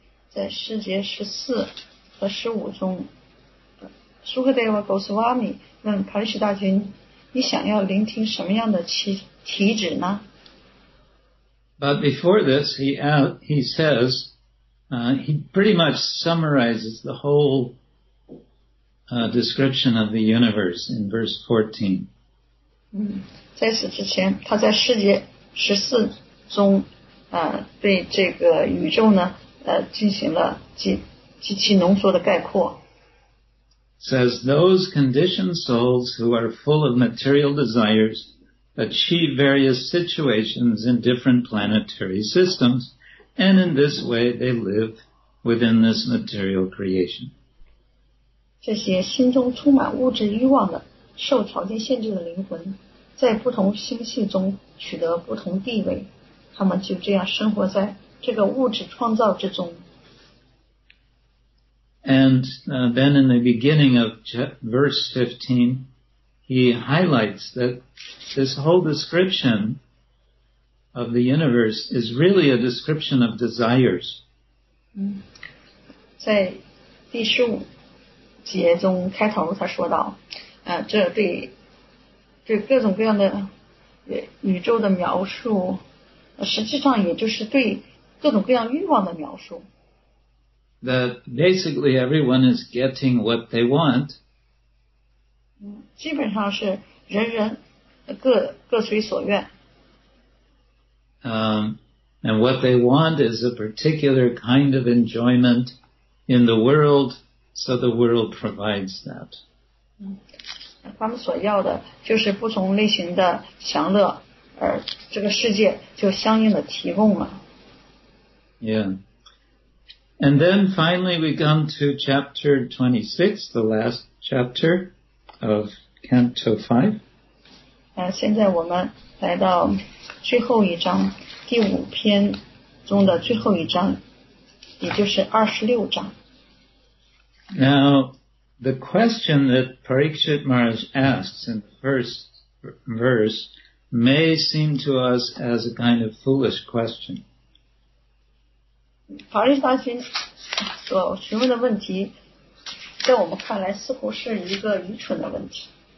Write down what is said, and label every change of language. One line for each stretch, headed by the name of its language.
Chinese: 在十节十四和十五中， Shukadeva Goswami 问 Parikshit 大君，你想要聆听什么样的题旨呢？
English: But before this, he says, he pretty much summarizes the whole description of the universe in verse 14.
Chinese: 在此之前，他在十节十四中，对这个宇宙呢，进行了极其浓缩的概括。
English: Says those conditioned souls who are full of material desires achieve various situations in different planetary systems, and in this way they live within this material creation.
Chinese: 这些心中充满物质欲望的、受条件限制的灵魂，在不同星系中取得不同地位，他们就这样生活在这个物质创造之中。
English: And then in the beginning of verse 15, he highlights that this whole description of the universe is really a description of desires.
Chinese: 在第十五节中开头他说到，这对各种各样的宇宙的描述，实际上也就是对各种各样欲望的描述。
English: That basically everyone is getting what they want.
Chinese: 基本上是人人各随所愿。
English: And what they want is a particular kind of enjoyment in the world, so the world provides that.
Chinese: 他们所要的就是不同类型的享乐，而这个世界就相应的提供了。
English: Yeah. And then finally we come to chapter 26, the last chapter of Canto 5.
Chinese: 现在我们来到最后一章，第五篇中的最后一章，也就是26章。
English: Now, the question that Parikshit Maharaj asks in the first verse may seem to us as a kind of foolish question.
Chinese: Parikshit Maharaj 所询问的问题在我们看来似乎是一个愚蠢的问题。